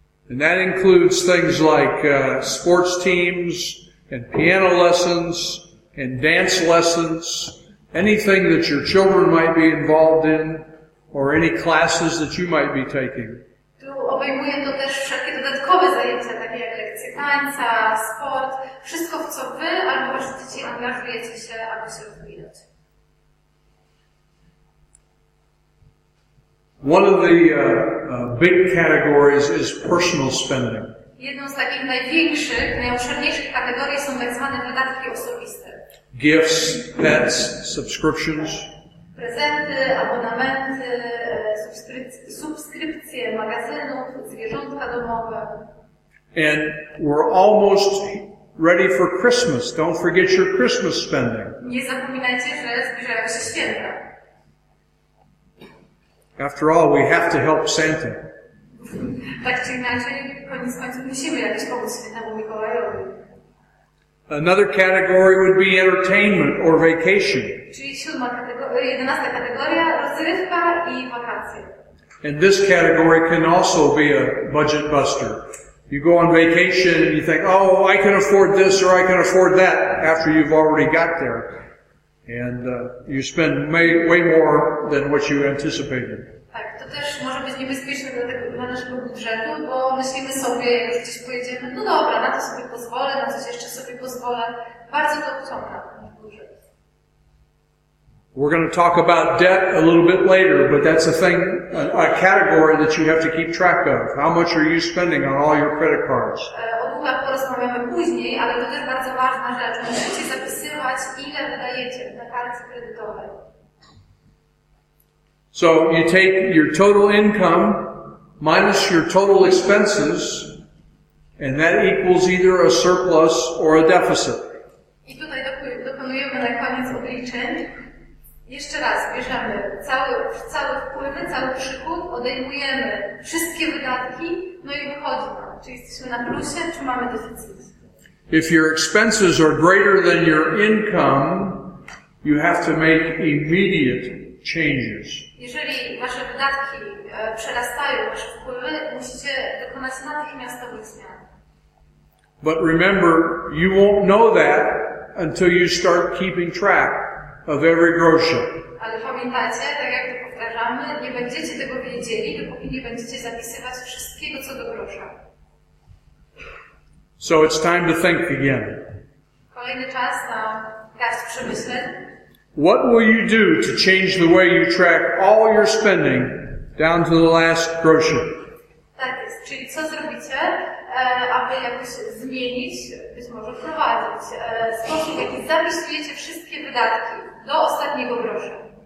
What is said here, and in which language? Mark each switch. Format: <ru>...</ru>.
<en>And that includes things like sports teams and piano lessons and dance lessons, anything that your children might be involved in or any classes that you might be taking.</en> <pl>Tu obejmuje to też wszelkie dodatkowe zajęcia, takie jak lekcje tańca, sport, wszystko w co wy albo wasze dzieci angażujecie się, aby się rozwijać.</pl> <en>One of the big categories is personal spending.</en> <pl>Jedną z takich największych, najobszerniejszych kategorii są tak zwane wydatki osobiste.</pl> <en>Gifts, pets, subscriptions.</en> <pl>Prezenty, abonamenty, subskrypcje magazynów, zwierzątka domowe.</pl> <en>And we're almost ready for Christmas. Don't forget your Christmas spending.</en> <pl>Nie zapominajcie, że zbliżają się święta.</pl> <en>After all, we have to help Santa.</en> <pl>Tak czy inaczej, koniec końców musimy jakoś pomóc Świętemu Mikołajowi.</pl> <en>Another category would be entertainment or vacation.</en> <pl>Czyli siódma kategoria, 11. kategoria, rozrywka i wakacje.</pl> <en>And this category can also be a budget buster. You go on vacation and you think, oh, I can afford this or I can afford that after you've already got there. And you spend way more than what you anticipated.</en> <pl>Tak, to też może być niebezpieczne dla naszego budżetu, bo myślimy sobie, jak już gdzieś pojedziemy, no dobra, na to sobie pozwolę, na coś jeszcze sobie pozwolę. Bardzo to obciąga nasz budżet.</pl> <en>We're going to talk about debt a little bit later, but that's a thing, a category that you have to keep track of. How much are you spending on all your credit cards?</en> <pl>O długach porozmawiamy później, ale to też bardzo ważna rzecz. Musicie zapisywać, ile wydajecie na karty kredytowe.</pl> <en>So you take your total income minus your total expenses, and that equals either a surplus or a deficit.</en> <pl>I tutaj dokonujemy na koniec obliczeń. Jeszcze raz, bierzemy cały wpływy, cały przychód, odejmujemy wszystkie wydatki, no i wychodzi nam. Czy jesteśmy na plusie, czy mamy deficyt?</pl> <en>If your expenses are greater than your income, you have to make immediate changes.</en> <pl>Jeżeli wasze wydatki przerastają wasze wpływy, musicie dokonać natychmiastowych zmian.</pl> <en>But remember, you won't know that until you start keeping track of every grocery.</en> <pl>Ale pamiętajcie, tak jak to powtarzamy, nie będziecie tego wiedzieli, dopóki nie będziecie zapisywać wszystkiego, co do grosza.</pl> <en>So it's time to think again.</en> <pl>Kolejny czas na garść przemyśleń.</pl> <en>What will you do to change the way you track all your spending down to the last grocery?</en> <pl>Tak jest. Czyli co zrobicie, aby jakoś zmienić, być może wprowadzić sposób, w jaki zapisujecie wszystkie wydatki do ostatniego grosza.</pl>